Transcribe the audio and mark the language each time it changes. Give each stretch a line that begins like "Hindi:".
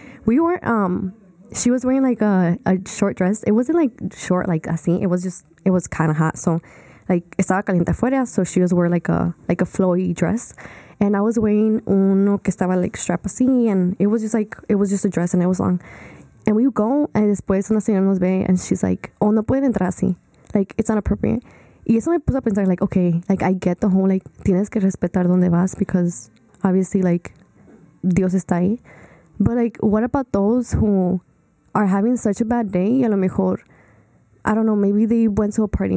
English: We were, she was wearing like a short dress. It wasn't like short, like así. It was kind of hot. So like, estaba caliente afuera. So she was wearing like a flowy dress. And I was wearing
Spanish: uno que estaba
English: like strap así. And it was just like, it was just a dress and it was long. And we go, and
Spanish: después una señora nos ve,
English: and she's like, oh,
Spanish: no pueden entrar así.
English: Like, it's inappropriate.
Spanish: Y eso me puso a pensar,
English: like, okay, like, I get the whole, like,
Spanish: tienes que respetar donde vas,
English: because obviously, like,
Spanish: Dios está ahí.
English: But, like, what about those who are having such a bad day?
Spanish: Y a lo mejor,
English: I don't know, maybe they went to a party.